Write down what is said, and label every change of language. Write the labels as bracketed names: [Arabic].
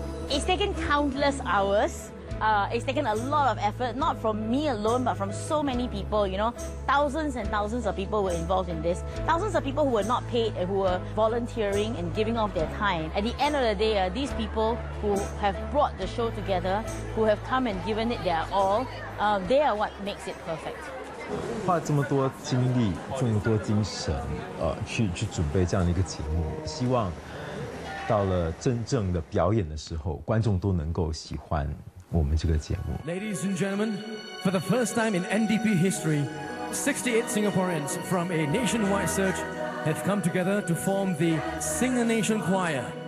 [English] It's taken countless hours. It's taken a lot of effort, not from me alone, but from so many people, you know. Thousands and thousands of people were involved in this. Thousands of people who were not paid and who were volunteering and giving off their time. At the end of the day, these people who have brought the show together, who have come and given it their all, they are what makes it perfect. [Chinese] 花了这么多精力，这么多精神，去准备这样的一个节目，希望到了真正的表演的时候，观众都能够喜欢我们这个节目。 [English] Ladies and gentlemen, for the first time in NDP history, 68 Singaporeans from a nationwide search have come together to form the Sing a Nation Choir.